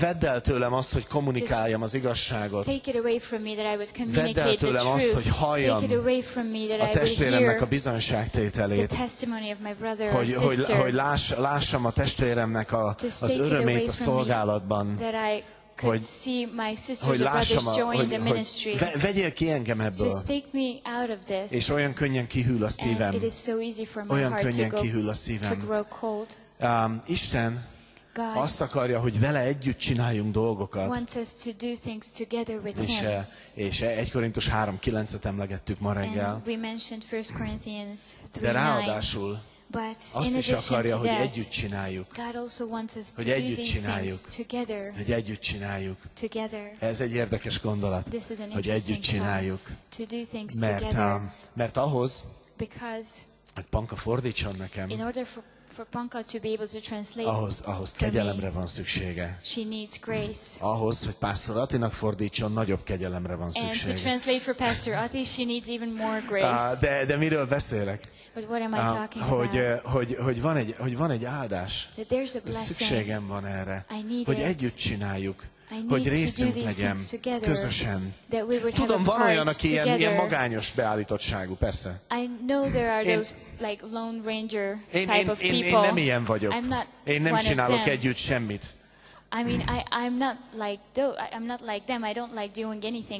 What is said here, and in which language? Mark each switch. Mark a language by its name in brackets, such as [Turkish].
[Hungarian] Vedd el tőlem azt, hogy kommunikáljam az igazságot. [English] Take it away from me that I would communicate [Hungarian] vedd el tőlem [English] the truth. [Hungarian] Azt, hogy halljam [English] take it away from me that [Hungarian] a testvéremnek a bizonyságtételét. [English] The testimony of my brother [Hungarian] hogy, [English] or sister. [Hungarian] Hogy lássam a testvéremnek az örömét a szolgálatban. [English] Could see my sisters [Hungarian] hogy lássam, [English] or brothers join the ministry. [Hungarian] Vegyél ki engem ebből. [English] Just take me out of this. [Hungarian] És olyan könnyen kihűl a szívem. [English] And it is so easy for my [Hungarian] olyan [English] heart [Hungarian] kihűl a szívem. [English] To grow cold. [Hungarian] Isten [English] God [Hungarian] azt akarja, hogy vele együtt csináljunk dolgokat. [English] Wants us to do things together with him. [Hungarian] És 1 Korintus 3:9-et emlegettük ma reggel. [English] And we mentioned 1 Corinthians 3:9. [Hungarian] De ráadásul azt is akarja, hogy együtt csináljuk. [English] God also wants us to [Hungarian] hogy együtt [English] do [Hungarian] csináljuk. [English] Together, [Hungarian] hogy együtt csináljuk. [English] Together. [Hungarian] Ez egy érdekes gondolat. [English] This is an [Hungarian] hogy együtt csináljuk. [English] To do [Hungarian] mert ahhoz, [English] because [Hungarian] hogy Panka fordítson nekem, [English] in order for Panka to be able to translate, [Hungarian] ahhoz kegyelemre van szüksége. [English] She needs grace. [Hungarian] Ahhoz, hogy Pastor Atinak fordítson, nagyobb kegyelemre van szüksége. [English] And to translate for Pastor Ati, she needs even more grace. [Hungarian] De miről beszélek? [English] But what am I talking about? [Hungarian] Hogy van egy áldás. [English] That there's a blessing. [Hungarian] Szükségem van erre. [English] I need [Hungarian] hogy [English] it. [Hungarian] Együtt csináljuk. Hogy részünk legyen. [English] Together, [Hungarian] közösen. [English] That we would [Hungarian] tudom, [English] have [Hungarian] van olyan, aki ilyen magányos beállítottságú, persze. [English] I know there are those like lone ranger type of people. [Hungarian] Én nem ilyen vagyok. [English] I'm not [Hungarian] én nem [English] one [Hungarian] csinálok [English] of them. [Hungarian] Együtt semmit. [English] I mean, I'm not like them. I don't like doing anything